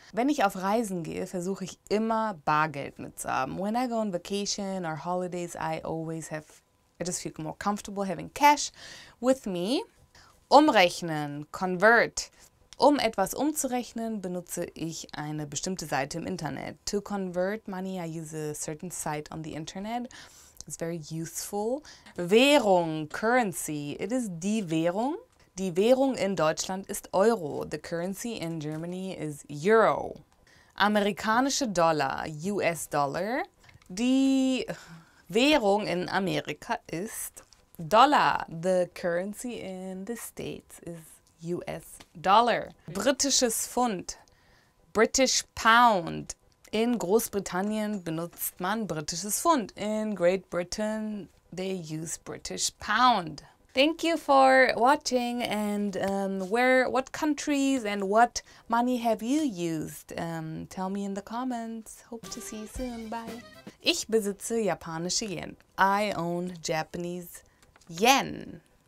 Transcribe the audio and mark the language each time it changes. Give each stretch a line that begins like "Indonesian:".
German: Wenn ich auf Reisen gehe, versuche ich immer Bargeld mitzuhaben.
English: When I go on vacation or holidays, I just feel more comfortable having cash with me.
German: Umrechnen, convert. Um etwas umzurechnen, benutze ich eine bestimmte Seite im Internet.
English: To convert money, I use a certain site on the internet. It's very useful. Währung, currency. It is
German: die Währung. Die Währung in Deutschland ist Euro.
English: The currency in Germany is Euro.
German: Amerikanische Dollar,
English: US Dollar.
German: Die Währung in Amerika ist Dollar.
English: The currency in the States is US Dollar.
German: Britisches Pfund,
English: British Pound.
German: In Großbritannien benutzt man britisches Pfund.
English: In Great Britain, they use British Pound. Thank you for watching and what countries and what money have you used? Tell me in the comments. Hope to see you soon. Bye.
German: Ich besitze japanische Yen.
English: I own Japanese Yen.